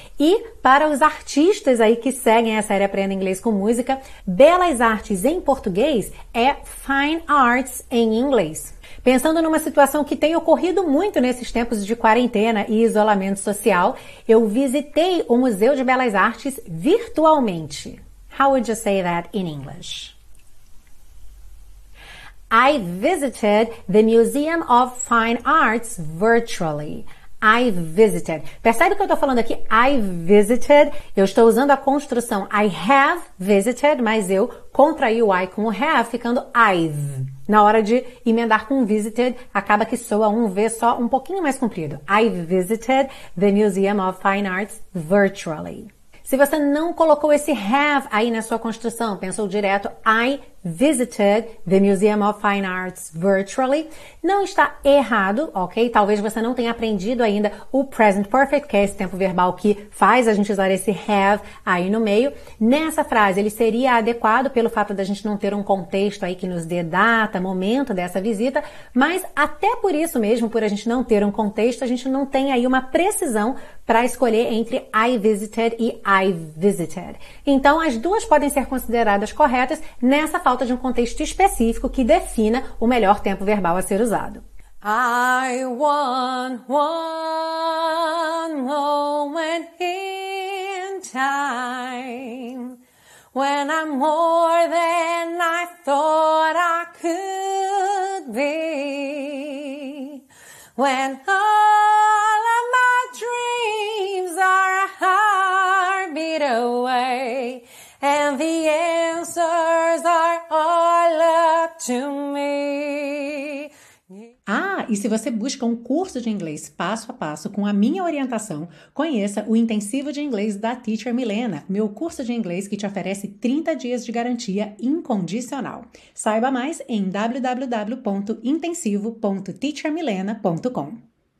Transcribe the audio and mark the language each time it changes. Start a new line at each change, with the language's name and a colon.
Portuguese: E para os artistas aí que seguem essa série Aprenda Inglês com Música, belas artes em português é fine arts em inglês. Pensando numa situação que tem ocorrido muito nesses tempos de quarentena e isolamento social, eu visitei o Museu de Belas Artes virtualmente.
English: How would you say that in English? I visited the Museum of Fine Arts virtually. I visited.
Portuguese: Percebe o que eu estou falando aqui?
English: I visited.
Portuguese: Eu estou usando a construção
English: I have visited,
Portuguese: mas eu contraí o I com o have, ficando
English: I've.
Portuguese: Na hora de emendar com visited, acaba que soa um V só um pouquinho mais comprido.
English: I visited the Museum of Fine Arts virtually.
Portuguese: Se você não colocou esse have aí na sua construção, pensou direto,
English: I visited the Museum of Fine Arts virtually,
Portuguese: não está errado, ok? Talvez você não tenha aprendido ainda o present perfect, que é esse tempo verbal que faz a gente usar esse have aí no meio. Nessa frase, ele seria adequado pelo fato da gente não ter um contexto aí que nos dê data, momento dessa visita, mas até por isso mesmo, por a gente não ter um contexto, a gente não tem aí uma precisão para escolher entre
English: I visited
Portuguese: e I visited. Então, as duas podem ser consideradas corretas nessa falta de um contexto específico que defina o melhor tempo verbal a ser usado.
English: I want one moment in time when I'm more than I thought I could be, when all of my dreams are a heartbeat away and the answers are all up to me.
Portuguese: Ah, e se você busca um curso de inglês passo a passo com a minha orientação, conheça o Intensivo de Inglês da Teacher Milena, meu curso de inglês que te oferece 30 dias de garantia incondicional. Saiba mais em www.intensivo.teachermilena.com.